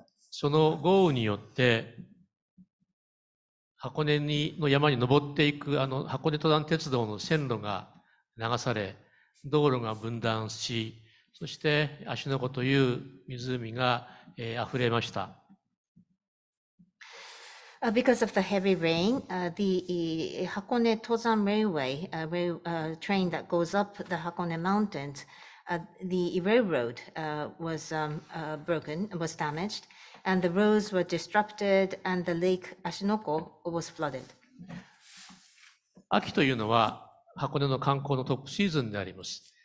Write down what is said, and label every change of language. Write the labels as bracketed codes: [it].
[ja] その豪雨によって、箱根にの山に登っていく箱根登山鉄道の線路が流され、道路が分断し、そして芦ノ湖という湖が、溢れました。 [en] Because of the heavy rain, the Hakone Tozan Railway, train that goes up the Hakone Mountains, the railroad was broken, was damaged, and the roads were disrupted, and the lake Ashinoko was flooded. [ja] 秋というのは箱根の観光のトップシーズンであります。